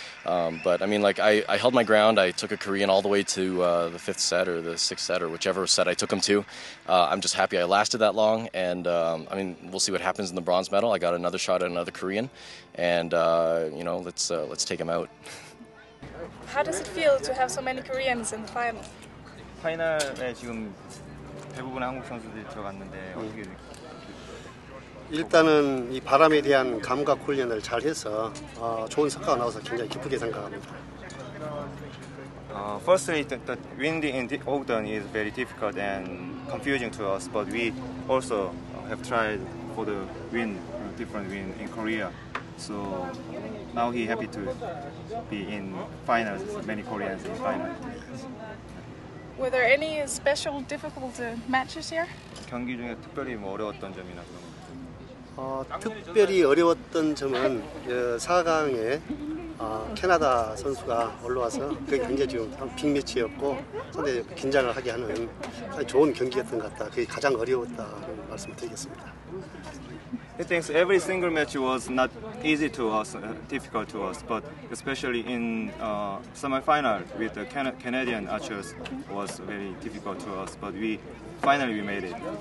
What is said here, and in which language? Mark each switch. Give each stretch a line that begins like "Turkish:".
English: But I mean, like I held my ground. I took a Korean all the way to the fifth set or the sixth set or whichever set I took him to. I'm just happy I lasted that long. And I mean, we'll see what happens in the bronze medal. I got another shot at another Korean, and you know, let's take him out. How does it feel to have so many Koreans in the final?
Korean: 파이널에 지금 대부분 한국 선수들이 들어갔는데 어떻게 일단은 이 바람에 대한 감각 훈련을 잘 해서 좋은 성과가 나와서 굉장히 기쁘게 생각합니다.
English: Firstly, the wind in the Ogden is very difficult and confusing to us, but we also have tried for the wind, different wind in Korea. So now he's happy to be in finals, many Koreans in finals. Were there any special difficult matches here?
Korean: 경기 중에 특별히 뭐 어려웠던 점이나 그런 거. 특별히 어려웠던 점은 4강에 캐나다 선수가 올라와서 그게 굉장히 좀 빅매치였고 상당히 긴장을 하게 하는 좋은 경기였던 것 같다. 그게 가장 어려웠다는 말씀을 드리겠습니다.
English: He thinks every single match was not easy to us, difficult to us, but especially in semi-final with the Canadian archers was very difficult to us, but we made it.